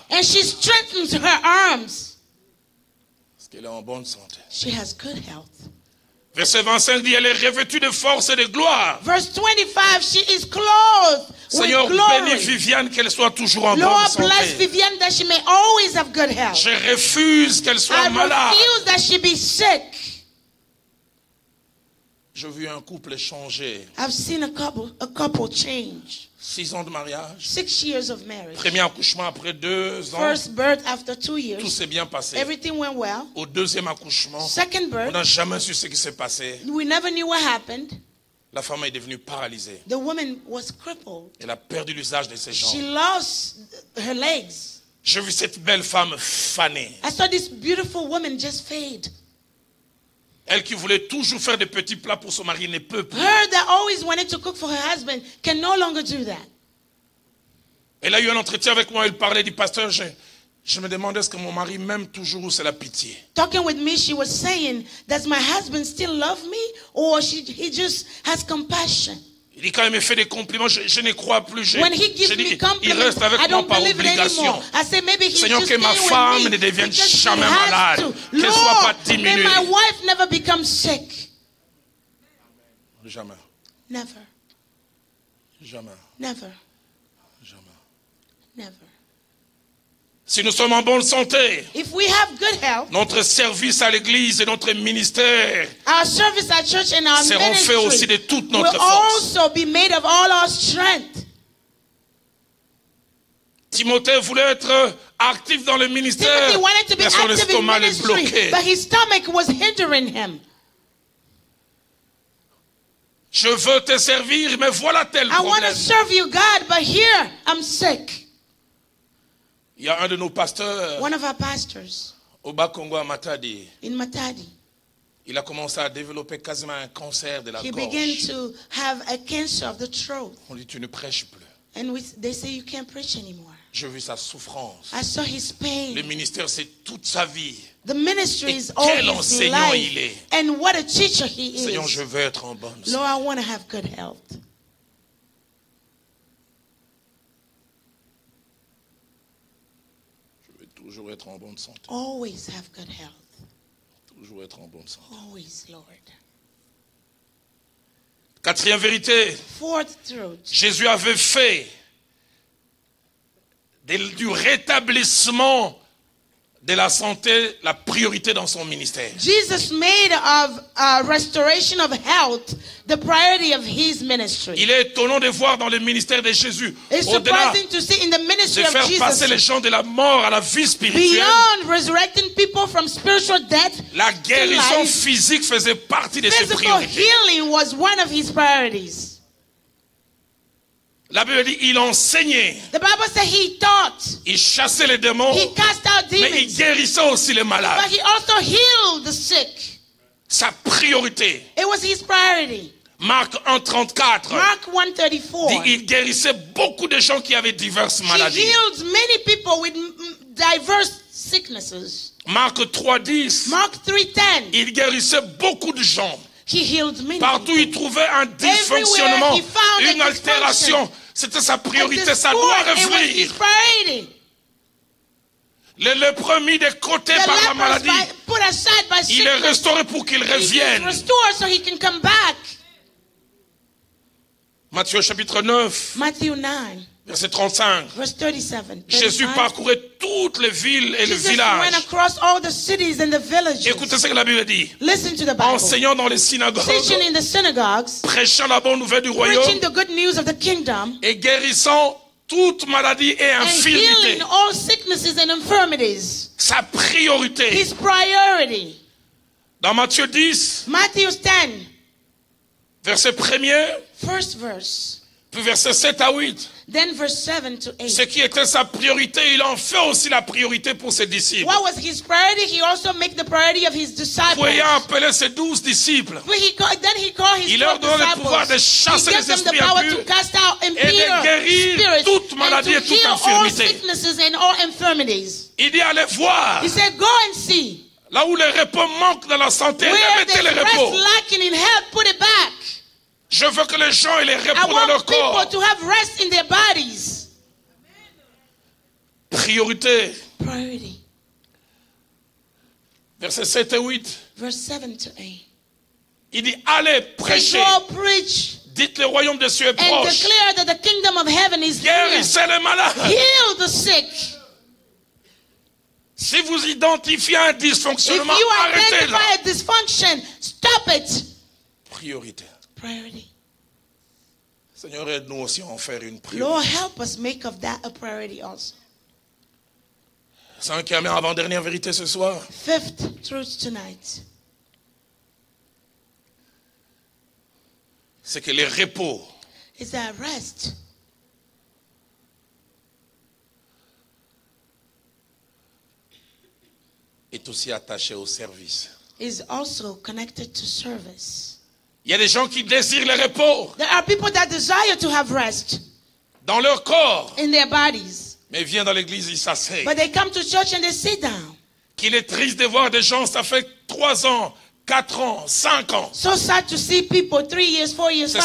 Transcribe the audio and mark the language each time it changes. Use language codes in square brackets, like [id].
[en] And she strengthens her arms. [fr] Parce qu'elle est en bonne santé. [en] She has good health. [fr] Verset 25 dit, elle est revêtue de force et de gloire. [en] Verse 25, she is clothed [fr] Seigneur, [en] with glory. [fr] Bénis Viviane, qu'elle soit toujours en [en] Lord, [fr] bonne santé. [en] Lord, bless Viviane that she may always have good health. [fr] Je refuse qu'elle soit [en] I [fr] malade. [en] I refuse that she be sick. [fr] Je vois un couple changer. [en] I've seen a couple change. [fr] 6 ans de mariage. [en] 6 years of marriage. [fr] Premier accouchement après 2 ans. [en] First birth after 2 years. [fr] Tout s'est bien passé. [en] Everything went well. [fr] Au deuxième accouchement. [en] Second birth. [fr] On n'a jamais su ce qui s'est passé. [en] We never knew what happened. [fr] La femme est devenue paralysée. [en] The woman was crippled. [fr] Elle a perdu l'usage de ses jambes. [en] She lost her legs. [fr] Je vis cette belle femme faner. [en] I saw this beautiful woman just fade. [fr] Elle qui voulait toujours faire des petits plats pour son mari ne peut plus. [en] Her that always wanted to cook for her husband can no longer do that. [fr] Elle a eu un entretien avec moi. Elle parlait du pasteur. Je me demandais est-ce que mon mari m'aime toujours ou c'est la pitié. [en] Talking with me, she was saying, does my husband still love me or he just has compassion? [fr] Il dit quand il me fait des compliments, je ne crois plus. [en] When he gives me compliments, [fr] il reste avec [en] I don't [fr] moi par obligation. [en] I say maybe he's [fr] Seigneur, [en] just [fr] que ma femme ne devienne jamais malade. Qu'elle [en] Lord, [fr] soit pas diminuée. [en] May my wife never become sick. [fr] Jamais. [en] Never. [fr] Jamais. [en] Never. [fr] Jamais. [en] Never. [fr] Si nous sommes en bonne santé, [en] if we have good health, [fr] notre service à l'église et notre ministère [en] our service at church and our [fr] seront faits aussi de toute notre [en] will [fr] force. [en] Also be made of all our strength. [fr] Timothée voulait être actif dans le ministère, mais son estomac le bloquait. [en] But his stomach was hindering him. [fr] Je veux te servir, mais voilà tel problème. [en] I want to serve you, God, but here I'm sick. [fr] Il y a un de nos pasteurs, [en] one of our pastors, [fr] au Bas-Congo à Matadi, [en] in Matadi, [fr] il a commencé à développer quasiment un cancer de la [en] he [fr] gorge. [en] Began to have a cancer of the throat. [fr] On dit tu ne prêches plus. [en] And we, they say you can't preach anymore. [fr] Je vis sa souffrance. [en] I saw his pain. [fr] Le ministère c'est toute sa vie. [en] The ministry [fr] et [en] is all [fr] quel [en] his [fr] enseignant [en] life. [fr] Il est. [en] And what a teacher he is. [fr] Seigneur, je veux être en bonne santé. [en] Lord, I want to have good health. [fr] Toujours être en bonne santé. [en] Always have good health. [fr] Toujours être en bonne santé. [en] Always, Lord. [fr] Quatrième vérité. [en] Fourth truth. [fr] Jésus avait fait du rétablissement de la santé la priorité dans son ministère. [en] Jesus made of a restoration of health the priority of his ministry. [fr] Il est étonnant de voir dans le ministère de Jésus au-delà de faire passer les gens de la mort à la vie spirituelle. [en] Beyond resurrecting people from spiritual death, [fr] la guérison physique faisait partie de ses priorités. [en] Physical healing was one of his priorities. [fr] La Bible dit il enseignait. [en] The Bible said he taught. [fr] Il chassait les démons. [en] He cast out demons. [fr] Mais il guérissait aussi les malades. [en] But he also healed the sick. [fr] Sa priorité. [en] It was his priority. Mark 1:34. [fr] Dit il guérissait beaucoup de gens qui avaient diverses maladies. [en] He healed many people with diverse sicknesses. Mark 3:10. Mark 3:10. [fr] Il guérissait beaucoup de gens. [en] He healed many [fr] partout [en] people. [fr] Il trouvait un dysfonctionnement, une altération. C'était sa priorité, ça doit revenir. Le lépreux mis de côté par la maladie, [en] by [fr] il est restauré pour qu'il revienne. [en] So he can come back. [fr] Matthieu 9. [en] Matthew 9. [fr] Verset 35. [en] Verse 37. [fr] Jésus parcourait toutes les villes et le village. [en] Jesus went across all the cities and the villages. [fr] Écoutez ce que la Bible dit. [en] Listen to the Bible. [fr] Enseignant dans les synagogues. [en] Teaching in the synagogues. [fr] Prêchant la bonne nouvelle du royaume. [en] Preaching the good news of the kingdom. [fr] Et guérissant toute maladie et infirmité. [en] And healing all sicknesses and infirmities. [fr] Sa priorité. [en] His priority. [fr] Dans Matthieu 10. [en] Matthew 10. [fr] Verset 1. [en] First verse. [fr] Puis verset 7 à 8. [en] Then verse 7 to 8. [fr] Ce qui était sa priorité, il en fait aussi la priorité pour ses disciples. [en] What was his priority? He also made the priority of his disciples. [fr] Voyant appeler ses 12 disciples. [en] But he called his [fr] il leur donne le pouvoir de chasser les esprits impurs et de guérir toute maladie et toute infirmité. [en] All sicknesses and all infirmities. [fr] Il dit allez voir. [en] He said go and see. [fr] Là où le repos manque dans la santé, remettez le repos. [en] Lacking in health, put it back. [fr] Je veux que les gens aient le repos dans leur corps. [en] I want people to have rest in their bodies. [fr] Priorité. [en] Priority. [fr] Verset 7 et 8. [en] Verse 7 to 8. [fr] Il dit, allez, prêchez. [en] Go preach. [fr] Dites le royaume des cieux est [en] and [fr] proche. [en] And declare that the kingdom of heaven is near. [fr] Guérissez les malades. [en] Heal the sick. [fr] Si vous identifiez un dysfonctionnement, arrêtez-le. [en] If you identify a dysfunction, stop it. [fr] Priorité. [en] Priority. [fr] Seigneur, aide-nous aussi à en faire une priorité. [en] Lord, help us make of that a priority also. [fr] Cinquième et avant-dernière vérité ce soir. [en] Fifth truth tonight. [fr] C'est que le repos. [en] Is that rest? [fr] Est aussi attaché au service. [en] Is also connected to service. [fr] Il y a des gens qui désirent le repos. [en] There are people that desire to have rest. [fr] Dans leur corps. [en] In their bodies. [fr] Mais viennent dans l'église, ils s'asseyent. [en] But they come to church and they sit down. [fr] Qu'il est triste de voir des gens, ça fait 3 ans, 4 ans, 5 ans. [en] So sad to see people 3 years, 4 years, 5 years.